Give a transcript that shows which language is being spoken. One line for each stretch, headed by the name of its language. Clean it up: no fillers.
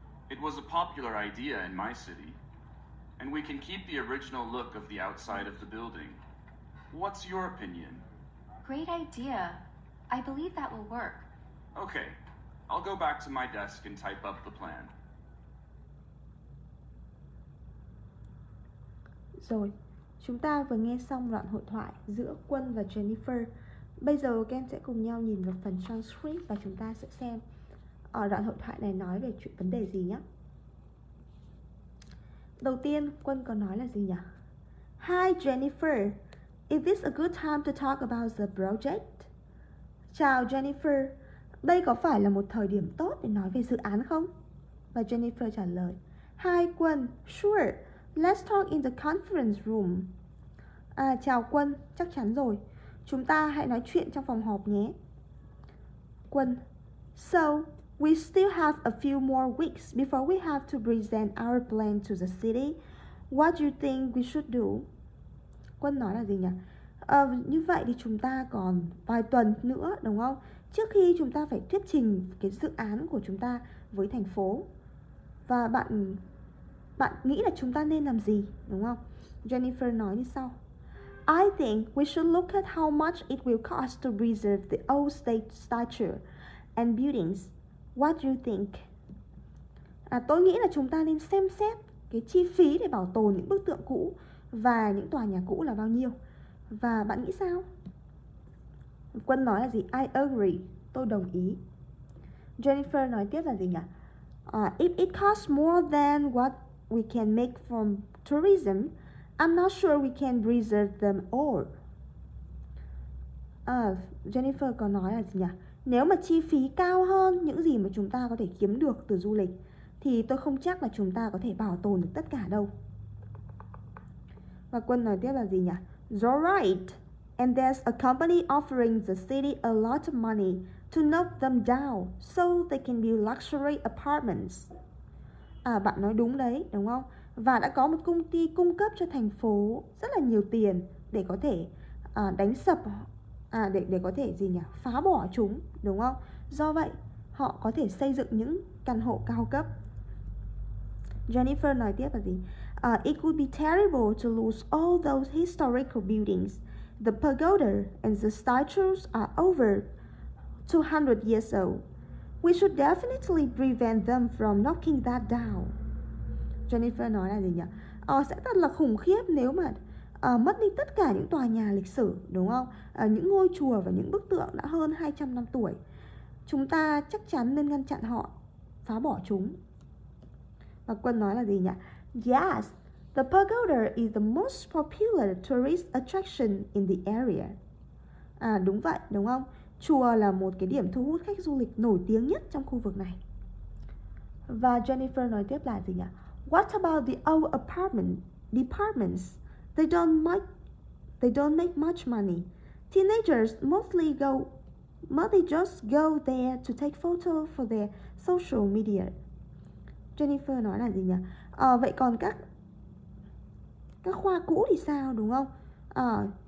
English: It was a popular idea in my city. And we can keep the original look of the outside of the building. What's your opinion? Great idea. I believe that will work. Okay, I'll go back to my desk and type up the plan.
Vietnamese: Rồi, chúng ta vừa nghe xong đoạn hội thoại giữa Quân và Jennifer. Bây giờ các em sẽ cùng nhau nhìn vào phần transcript và chúng ta sẽ xem ở đoạn hội thoại này nói về chuyện vấn đề gì nhé. Đầu tiên, Quân có nói là gì nhỉ?
English: Hi Jennifer, is this a good time to talk about the project?
Vietnamese: Chào Jennifer, đây có phải là một thời điểm tốt để nói về dự án không? Và Jennifer trả lời,
English: Hi Quân, sure. Let's talk in the conference room.
Vietnamese: À, chào Quân, chắc chắn rồi. Chúng ta hãy nói chuyện trong phòng họp nhé.
English: Quân, so, we still have a few more weeks before we have to present our plan to the city. What do you think we should do?
Vietnamese: Quân nói là gì nhỉ? Như vậy thì chúng ta còn vài tuần nữa, đúng không? Trước khi chúng ta phải thuyết trình cái dự án của chúng ta với thành phố. Và bạn nghĩ là chúng ta nên làm gì, đúng không? Jennifer nói như sau.
English: I think we should look at how much it will cost to preserve the old state statue and buildings. What do you think?
Vietnamese: À, tôi nghĩ là chúng ta nên xem xét cái chi phí để bảo tồn những bức tượng cũ và những tòa nhà cũ là bao nhiêu. Và bạn nghĩ sao? Quân nói là gì?
English: I agree.
Vietnamese: Tôi đồng ý. Jennifer nói tiếp là gì nhỉ?
English: If it costs more than what we can make from tourism, I'm not sure we can preserve them all.
Vietnamese: Jennifer có nói là gì nhỉ? Nếu mà chi phí cao hơn những gì mà chúng ta có thể kiếm được từ du lịch, thì tôi không chắc là chúng ta có thể bảo tồn được tất cả đâu. Và Quân nói tiếp là gì nhỉ?
English: You're right. And there's a company offering the city a lot of money to knock them down so they can build luxury apartments.
Vietnamese: À, bạn nói đúng đấy, đúng không? Và đã có một công ty cung cấp cho thành phố rất là nhiều tiền để có thể đánh sập, để có thể gì nhỉ? Phá bỏ chúng, đúng không? Do vậy, họ có thể xây dựng những căn hộ cao cấp. Jennifer nói tiếp là gì?
English: It would be terrible to lose all those historical buildings. The pagoda and the statues are over 200 years old. We should definitely prevent them from knocking that down.
Vietnamese: Jennifer nói là gì nhỉ? Sẽ thật là khủng khiếp nếu mà mất đi tất cả những tòa nhà lịch sử, đúng không? Những ngôi chùa và những bức tượng đã hơn 200 năm tuổi. Chúng ta chắc chắn nên ngăn chặn họ, phá bỏ chúng. Và Quân nói là gì nhỉ?
English: Yes, the pagoda is the most popular tourist attraction in the area.
Vietnamese: À đúng vậy, đúng không? Chùa là một cái điểm thu hút khách du lịch nổi tiếng nhất trong khu vực này. Và Jennifer nói tiếp là gì nhỉ?
English: What about the old apartment departments? They don't make much money. Teenagers mostly just go there to take photo for their social media.
Vietnamese: Jennifer nói là gì nhỉ? Vậy còn các khoa cũ thì sao, đúng không?